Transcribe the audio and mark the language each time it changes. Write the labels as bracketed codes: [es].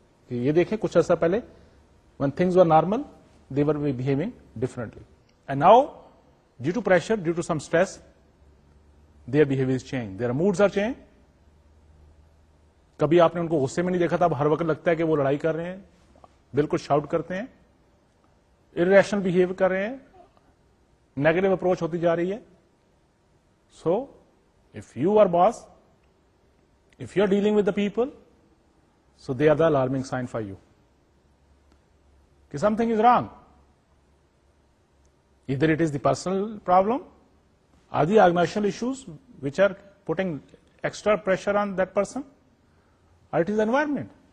[ur] یہ دیکھیں کچھ عرصہ پہلے, [en] when things were normal, they were behaving differently, and now due to pressure, due to some stress, their behavior is changed, their moods are changed. [ur] کبھی آپ نے ان کو غصے میں نہیں دیکھا تھا, اب ہر وقت لگتا ہے کہ وہ لڑائی کر رہے ہیں, بالکل شاؤٹ کرتے ہیں, irrational behavior کر رہے ہیں, negative approach ہوتی جا رہی ہے. [en] So if you are boss, if you are dealing with the people, so they are the alarming sign for you. Something is wrong. Either it is the personal problem or the organizational issues which are putting extra pressure on that person, or it is the environment.